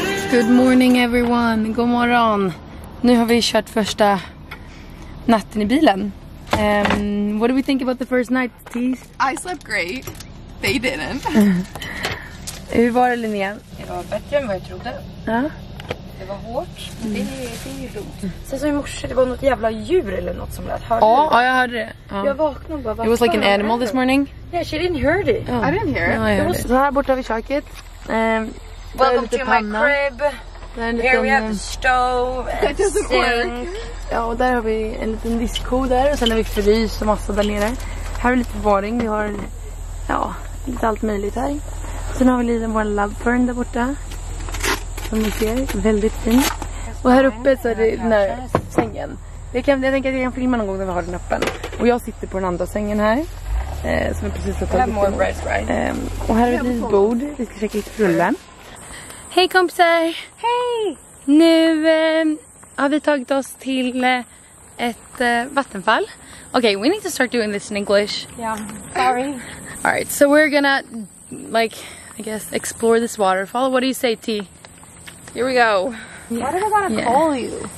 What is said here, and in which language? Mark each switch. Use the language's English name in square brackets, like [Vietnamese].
[English] Good morning everyone, [Swedish] god morgon. Nu har vi kört första natten i bilen. [English] What do we think about the first night, Teeth? I slept great, they didn't. [Swedish] Hur var det, Linnea? Det var bättre än vad jag trodde. Ja. Det var hårt, det är ju dumt. Sen som i morse, det var något jävla djur eller något som lät. Ja, oh, jag hörde det. Jag vaknade och bara, [English] it was like an animal this morning. Yeah, she didn't hear it. Oh. I didn't hear it. [Swedish] Ja, jag hörde. Så här borta vid köket. [English] Welcome to panna. My crib. Here we have the stove. It doesn't work. [Swedish] Ja, och där har vi en liten disco där. Och sen har vi frys och massa där nere. Här är lite förvaring. Vi har ja, lite allt möjligt här. Sen har vi lite vår love fern där borta. Som ni ser. Väldigt fin. Och här uppe så är det den här sängen. Jag tänker att jag kan filma någon gång när vi har den öppen. Och jag sitter på den andra sängen här. Som jag precis har tagit. Och här är ett litet bord. Vi ska checka lite frullen. Hej kompisar! Hej! Nu har vi tagit oss till ett vattenfall. [English] Okay, we need to start doing this in English. Yeah, sorry. Alright, so we're gonna, like, I guess, explore this waterfall. What do you say, T? Here we go. Yeah. What did I wanna call you?